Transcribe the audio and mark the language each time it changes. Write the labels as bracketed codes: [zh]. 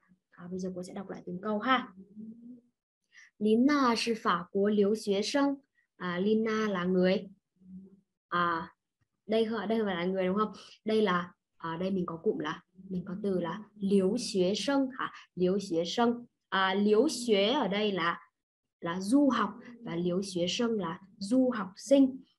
[vi] À, bây giờ cô sẽ đọc lại từng câu ha. [zh] Lina是法国留学生. [vi] À, Lina là người. À, đây phải là người đúng không? Đây là ở đây mình có cụm là mình có từ là liếu xuế sân hả? Liếu xuế sân. À, liếu xuế ở đây là du học và liếu xuế sân là du học sinh.